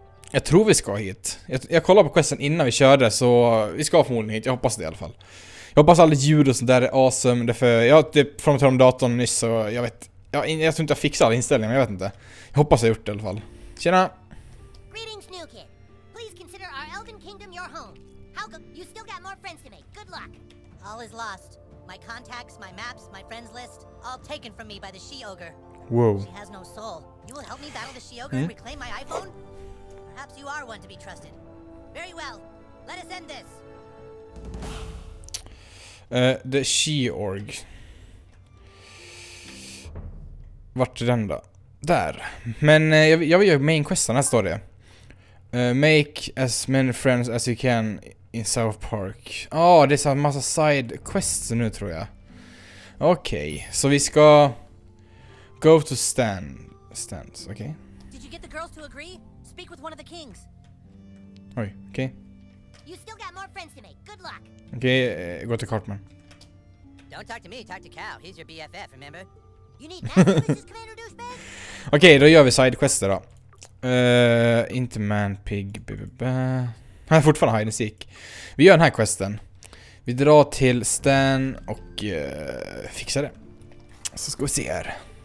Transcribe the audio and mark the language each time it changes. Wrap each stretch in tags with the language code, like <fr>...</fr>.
<sv>Jag tror vi ska hit. Jag kollade på questen innan vi körde, så vi ska förmodligen hit. Jag hoppas det i alla fall. Jag hoppas alla ljud och sånt där är awesome. Därför jag har typ frågat om datorn nyss, så jag vet. Jag tror inte jag fixar alla inställningar, men jag vet inte. Jag hoppas jag har gjort det i alla fall. Tjena!</sv> <en>Greetings, new kid. Please consider our Elden Kingdom your home. Halka, you still got more friends to make. Good luck. All is lost. My contacts, my maps, my friends list. All taken from me by the She-Ogre. Whoa. She has no soul. You will help me battle the She-Ogre and reclaim my iPhone? Perhaps you are one to be trusted. Very well. Let us end this. The She-Org.</en> <sv>Vart är den då? Där. Men jag vill göra main questen. Här står det.</sv> <en>Make as many friends as you can in South Park.</en> <sv>Åh, det är så här massa side quests nu tror jag. Okej.</sv> <en>Okay.</en> <sv>Så vi ska...</sv> <en>Go to stands, okay. Did you get the girls to agree? Speak with one of the kings. Oj, okay. You still got more friends to make. Good luck. Okay, go to Cartman. Don't talk to me, talk to Cal. He's your BFF, remember? You need Mrs. Commander Douchebag?</en> <sv>Okay, då gör vi side quests då. Inte man pig. Han är fortfarande hide and seek. Vi gör den här questen. Vi drar till Stan och fixar det. Så ska vi se här.</sv>